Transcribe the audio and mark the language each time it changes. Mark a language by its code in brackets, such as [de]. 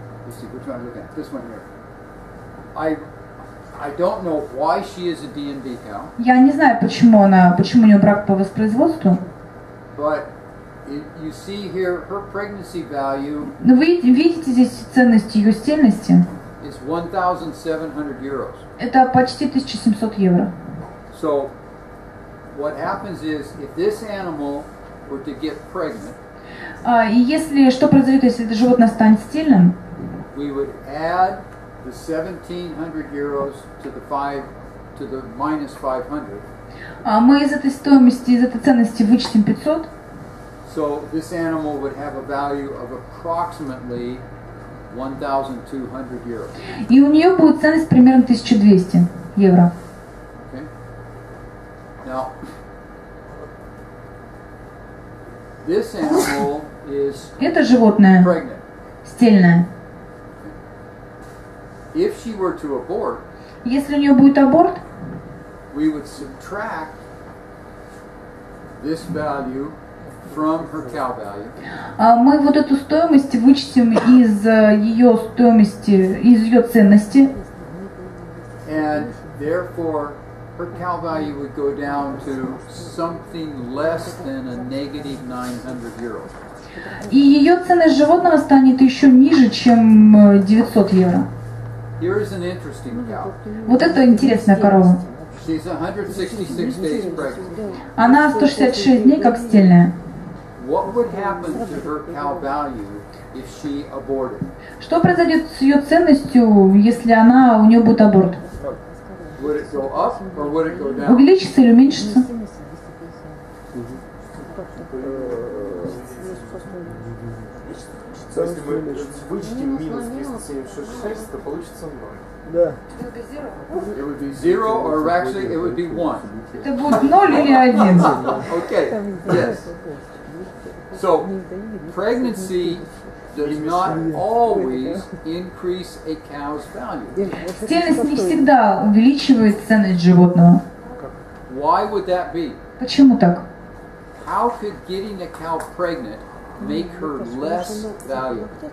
[en] Let's see, which one are you looking at? This one here. I don't know why she is a D&B cow. [ru] Я не знаю, почему у нее брак по воспроизводству. [en] But you see here her pregnancy value. [ru] Но вы видите здесь ценность ее стельности? [en] It's 1,700 euros. [ru] Это почти 1700 евро. [en] So what happens is if this animal were to get pregnant. [ru] И если что произойдет, если это животное станет стильным? [en] We would add the 1,700 euros to the minus 500. [ru] А мы из этой стоимости, из этой ценности вычтем 500. [en] So this animal would have a value of approximately 1,200 euros. [ru] И у нее будет ценность примерно 1200 евро. [en] Okay. Now, this animal is [ru] это животное [en] pregnant. [ru] Стельное. [en] If she were to abort, [ru] если у нее будет аборт, [en] we would subtract this value from her cow value. [ru] Мы вот эту стоимость вычтем из ее стоимости, из ее ценности. [en] And therefore, her cow value would go down to something less than a negative 900 euro. [ru] И ее ценность животного станет еще ниже, чем 900 евро. [en] Here is an interesting cow. [ru] Вот это интересная корова. [en] She's 166 days pregnant. [ru] Она 166 дней как стельная. [en] What would happen to her cow value if she aborted? [ru] Что произойдет с ее ценностью, если она у нее будет аборт? [en] Would it go up or would it go down? [ru] Увеличится или уменьшится? Если мы вычтем минус 276, то получится 0. Да. [en] It would be zero, or actually it would be one. [ru] Это будет ноль или один. [en] Okay. Yes. So pregnancy does not always increase a cow's value. [ru] Стерильность не всегда увеличивает ценность животного. [en] Why would that be? [ru] Почему так? [en] How could getting a cow pregnant make her less valuable?